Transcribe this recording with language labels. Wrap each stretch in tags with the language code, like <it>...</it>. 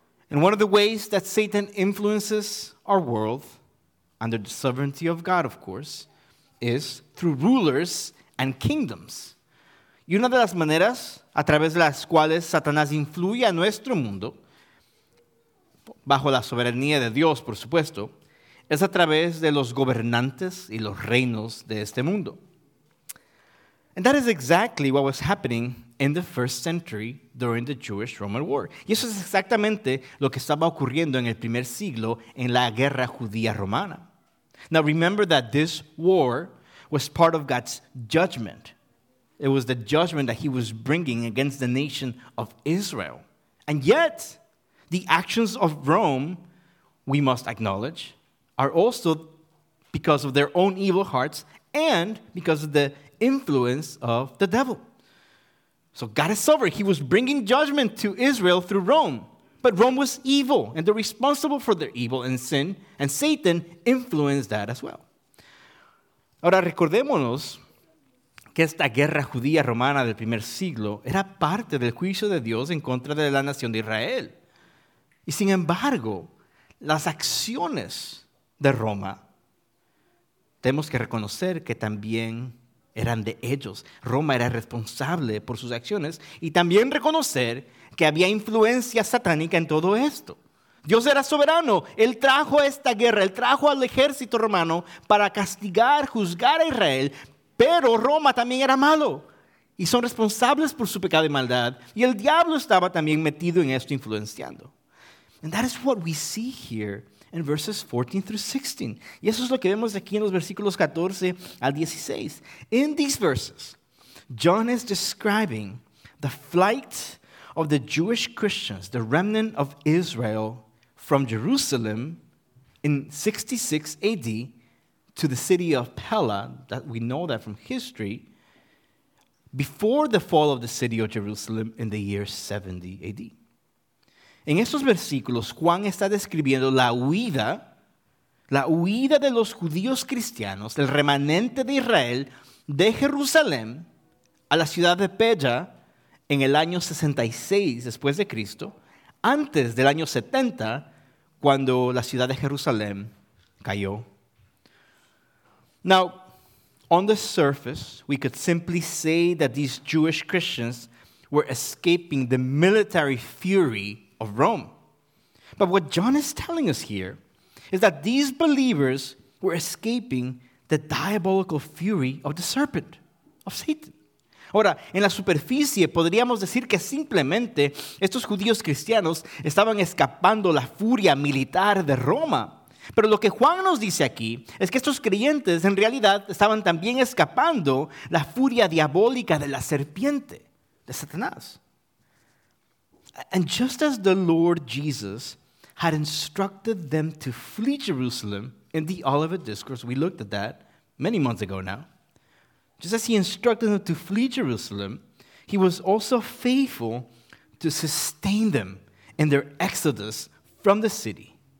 <en>And one of the ways that Satan influences our world, under the sovereignty of God, of course, is through rulers and kingdoms.</en> <es>Y una de las maneras a través de las cuales Satanás influye a nuestro mundo, bajo la soberanía de Dios, por supuesto, es a través de los gobernantes y los reinos de este mundo.</es> <en>And that is exactly what was happening in the first century during the Jewish-Roman War.</en> <es>Y eso es exactamente lo que estaba ocurriendo en el primer siglo en la guerra judía romana.</es> <en>Now remember that this war was part of God's judgment. It was the judgment that he was bringing against the nation of Israel. And yet, the actions of Rome, we must acknowledge, are also because of their own evil hearts and because of the influence of the devil. So God is sovereign. He was bringing judgment to Israel through Rome. But Rome was evil, and they're responsible for their evil and sin, and Satan influenced that as well.</en> <es>Ahora, recordémonos que esta guerra judía romana del primer siglo era parte del juicio de Dios en contra de la nación de Israel. Y sin embargo, las acciones de Roma, tenemos que reconocer que también eran de ellos. Roma era responsable por sus acciones y también reconocer que había influencia satánica en todo esto. Dios era soberano. Él trajo esta guerra, él trajo al ejército romano para castigar, juzgar a Israel. Pero Roma también era malo y son responsables por su pecado y maldad. Y el diablo estaba también metido en esto, influenciando.</es> <en>And that is what we see here in verses 14 through 16.</en> <es>Y eso es lo que vemos aquí en los versículos 14 al 16.</es> <en>In these verses, John is describing the flight of the Jewish Christians, the remnant of Israel, from Jerusalem in 66 AD to the city of Pella, that we know that from history, before the fall of the city of Jerusalem in the year 70 AD.</en> <es>En estos versículos, Juan está describiendo la huida de los judíos cristianos, el remanente de Israel, de Jerusalén a la ciudad de Pella en el año 66 después de Cristo, antes del año 70, cuando la ciudad de Jerusalén cayó.</es> <en>Now, on the surface, we could simply say that these Jewish Christians were escaping the military fury of Rome. But what John is telling us here is that these believers were escaping the diabolical fury of the serpent, of Satan.</en> <es>Ahora, en la superficie podríamos decir que simplemente estos judíos cristianos estaban escapando la furia militar de Roma. Pero lo que Juan nos dice aquí es que estos creyentes en realidad estaban también escapando la furia diabólica de la serpiente, de Satanás.</es> <en>And just as the Lord Jesus had instructed them to flee Jerusalem in the Olivet Discourse, we looked at that many months ago now, just as he instructed them to flee Jerusalem, he was also faithful to sustain them in their exodus from the city.</en>